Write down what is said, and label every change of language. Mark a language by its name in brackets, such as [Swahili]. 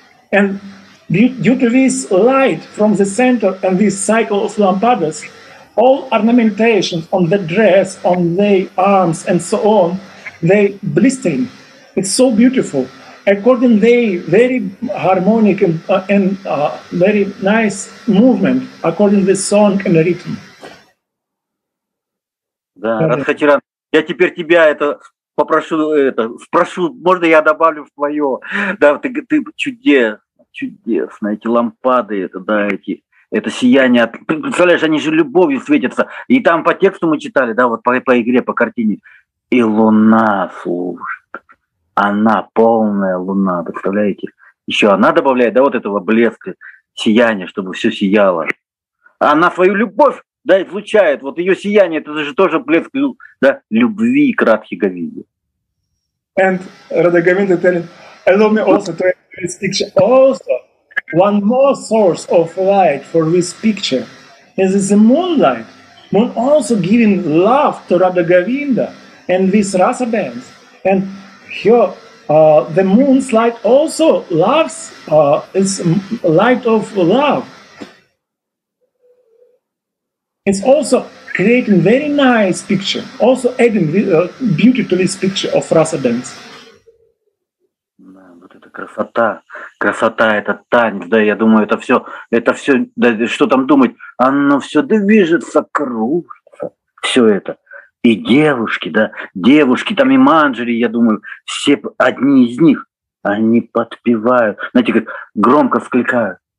[English] And due to this light from the center and this cycle of lampadas, all ornamentations on the dress, on the arms, and so on, they blistering. It's so beautiful. According to their very harmonic and very nice movement, according to the song and the rhythm. [Russian] Да, Радхачаран, я теперь тебя это попрошу, это спрошу, можно я добавлю в твое? Да, ты чудесно, эти лампады, это да, это сияние. Представляешь, они же любовью светятся. И там по тексту мы читали, да, вот по игре, по картине. И луна, слушай. Она полная луна, представляете? Еще она добавляет, да, вот этого блеска, сияния, чтобы все сияло. Она свою любовь, да, излучает. Вот ее сияние, это же тоже блеск, да, любви к Радхе Говинде. [English] And Radha Govinda telling, allow me also to add this picture. Also, one more source of light for this picture is the moonlight. Moon also giving love to Radha Govinda and this rasa dance. And here, the moon's light also loves, it's light of love. It's also creating very nice picture, also adding beauty to this picture of rasa dance. [Russian] Да, вот это красота, красота, это танец, да, я думаю, это все, да, что там думать, оно все движется, кружится, все это. И девушки, да, девушки, там и манджери, я думаю, все одни из них, они подпевают, знаете, как громко вскликают.